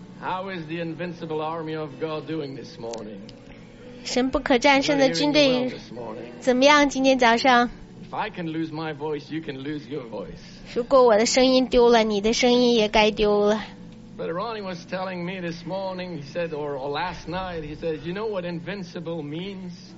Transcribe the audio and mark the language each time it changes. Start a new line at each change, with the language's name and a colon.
English: How is the invincible army of God doing this morning?
Chinese: 神不可战胜的军队怎么样？今天早上？
English: If I can lose my voice, you can lose your voice.
Chinese: 如果我的声音丢了，你的声音也该丢了。
English: But Ronnie was telling me this morning, he said, or last night, he said, you know what invincible means?